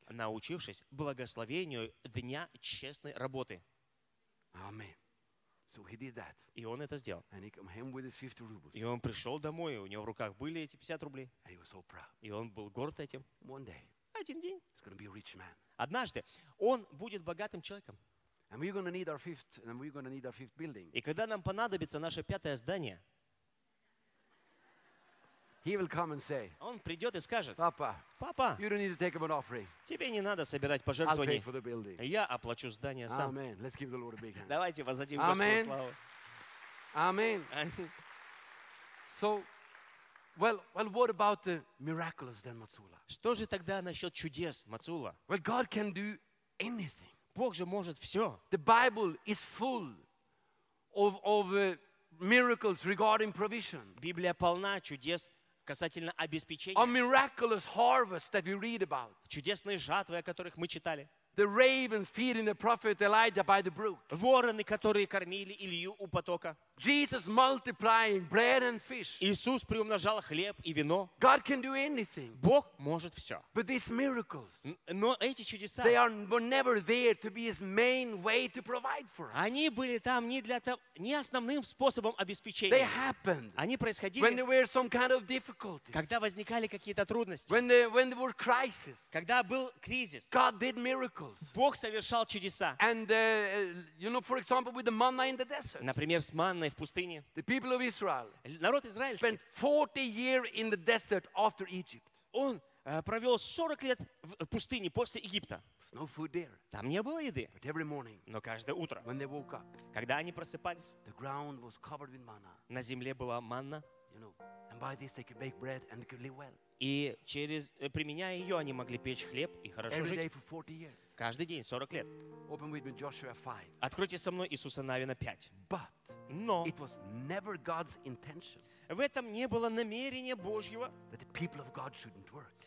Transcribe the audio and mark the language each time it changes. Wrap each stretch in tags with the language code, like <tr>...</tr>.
<ru>Научившись благословению дня честной работы.</ru> <en>Amen. So he did that.</en> <ru>И он это сделал.</ru> <en>And he came home with his 50 rubles.</en> <ru>И он пришел домой, у него в руках были эти 50 рублей.</ru> <en>And he was so proud.</en> <ru>И он был горд этим.</ru> <en>One day,</en> <ru>один день.</ru> <en>He's gonna be a rich man.</en> <ru>Однажды он будет богатым человеком.</ru> <en>And we're gonna need our fifth, and we're gonna need our fifth building.</en> <ru>И когда нам понадобится наше пятое здание,</ru> <en>he will come and say,</en> <ru>он придет и скажет,</ru> <en>Papa,</en> <ru>папа,</ru> <en>you don't need to take him an offering.</en> <ru>Тебе не надо собирать пожертвования.</ru> <en>I'll pay for the building.</en> <ru>Я оплачу здание сам.</ru> <en>Amen. Let's give the Lord a big hand.</en> <ru>Давайте воздадим Господу славу.</ru> <en>Amen. So, Well, what about the miracles then, Matsula?</en> <ru>Что же тогда насчет чудес, Мацула?</ru> <en>Well, God can do anything.</en> <ru>Бог же может все.</ru> <en>The Bible is full of miracles regarding provision.</en> <ru>Библия полна чудес касательно обеспечения.</ru> <en>A miraculous harvest that we read about.</en> <ru>Чудесные жатвы, о которых мы читали.</ru> <en>The ravens feeding the prophet Elijah by the brook.</en> <ru>Вороны, которые кормили Илью у потока.</ru> <en>Jesus multiplying bread and fish.</en> <ru>Иисус приумножал хлеб и вино.</ru> <en>God can do anything.</en> <ru>Бог может все.</ru> <en>But these miracles.</en> <ru>Но эти чудеса.</ru> <en>They are never there to be his main way to provide for us.</en> <ru>Они были там не для того, не основным способом обеспечения.</ru> <en>They happened.</en> <ru>Они происходили.</ru> <en>When there were some kind of difficulties.</en> <ru>Когда возникали какие-то трудности.</ru> <en>When there were crises.</en> <ru>Когда был кризис.</ru> <en>God did miracles.</en> <ru>Бог совершал чудеса.</ru> <en>And you know, for example, with the manna in the desert.</en> <ru>Например, с манной. В пустыне.</ru> <en>The people of Israel</en> <ru>народ израильский</ru> <en>spent 40 years in the desert after Egypt.</en> <ru>Он провел 40 лет в пустыне после Египта.</ru> <en>No food there.</en> <ru>Там не было еды.</ru> <en>But every morning,</en> <ru>но каждое утро,</ru> <en>when they woke up,</en> <ru>когда они просыпались,</ru> <en>the ground was covered with manna.</en> <ru>На земле была манна.</ru> <en>You know, and by this they could bake bread and they could live well.</en> <ru>И через, применяя ее, они могли печь хлеб и хорошо</ru> <en>every</en> <ru>жить.</ru> <en>Day for 40 years.</en> <ru>Каждый день, 40 лет.</ru> <en>Open with me Joshua 5.</en> <ru>Откройте со мной Иисуса Навина 5.</ru> <en>But</en> <ru>но</ru> <en>it was never God's intention,</en> <ru>в этом не было намерения Божьего,</ru> <en>that the people of God shouldn't work.</en>